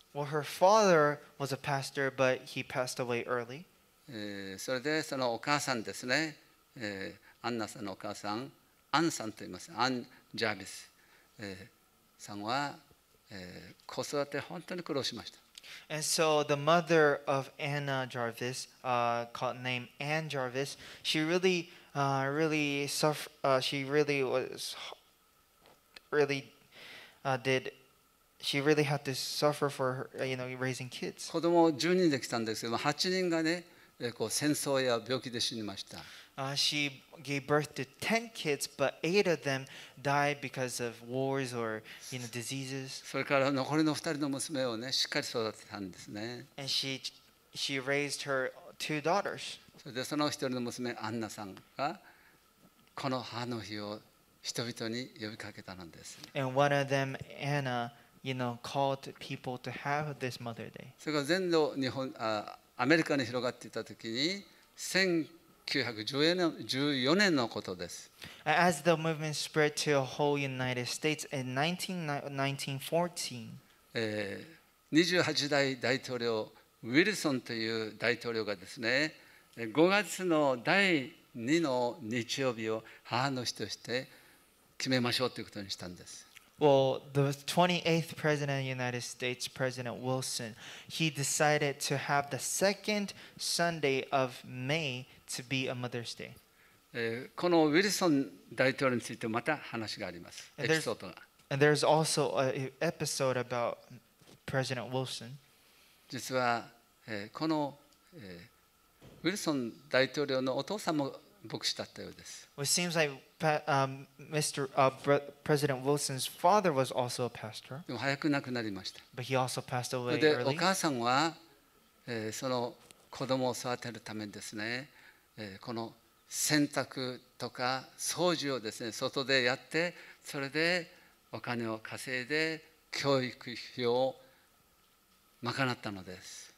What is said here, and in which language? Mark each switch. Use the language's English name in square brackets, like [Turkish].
[English] Well, her father was a pastor, but he passed away early. [Japanese] それでそのお母さんですね、アンナさんのお母さん、アンさんと言います。アン・ジャービス、さんは、子育て本当に苦労しました。 [English] And so the mother of Anna Jarvis, called named Ann Jarvis, she really, really suffered. She really was really did. She really had to suffer for her, you know, raising kids. [Japanese] 子供10人で来たんですけど、8人がね、こう戦争や病気で死にました。 [English] She gave birth to 10 kids, but 8 of them died because of wars or, you know, diseases. [Japanese] それから残りの2人の娘をね、しっかり育てたんですね。 [English] And she raised her two daughters. [Japanese] それでその1人の娘、アンナさんがこの母の日を人々に呼びかけたのです。 [English] And one of them, Anna,You know, called people to have this Mother Day. [Japanese] それが全土日本、アメリカに広がっていたときに、1914年のことです。 [English] As the movement spread to a whole United States in 1914, [Japanese] 28代大統領ウィルソンという大統領がですね、5月の第2の日曜日を母の日として決めましょうということにしたんです。 [English] Well, the 28th President of the United States, President Wilson, he decided to have the second Sunday of May to be a Mother's Day. [Japanese] このウィルソン大統領についてまた話があります。エピソードが。 [English] And there's also an episode about President Wilson. [Japanese] 実は、この、ウィルソン大統領のお父さんも牧師だったようです。 [English] Well, it seems like President Wilson's father was also a pastor. [Japanese] でも早く亡くなりました。 [English] But he also passed away で early. [Japanese] お母さんは、その子供を育てるためにですね、この洗濯とか掃除をですね、外でやって、それでお金を稼いで教育費を賄ったのです。